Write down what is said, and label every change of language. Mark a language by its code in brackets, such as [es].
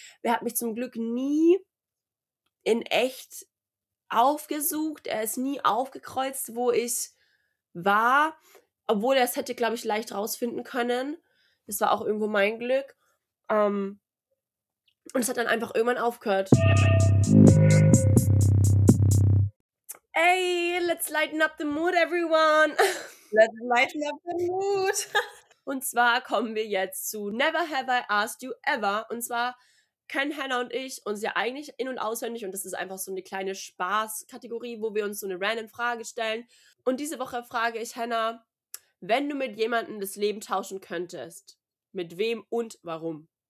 [de] Er hat mich zum Glück nie in echt aufgesucht. Er ist nie aufgekreuzt, wo ich war. Obwohl er es hätte, glaube ich, leicht rausfinden können. Das war auch irgendwo mein Glück. Und es hat dann einfach irgendwann aufgehört. [en] Ey, let's lighten up the mood, everyone. Let's lighten up the mood. [de] Und zwar kommen wir jetzt zu Never Have I Asked You Ever. Und zwar kennen Hannah und ich uns ja eigentlich in- und auswendig. Und das ist einfach so eine kleine Spaßkategorie, wo wir uns so eine random Frage stellen. Und diese Woche frage ich Hannah, wenn du mit jemandem das Leben tauschen könntest, mit wem und warum?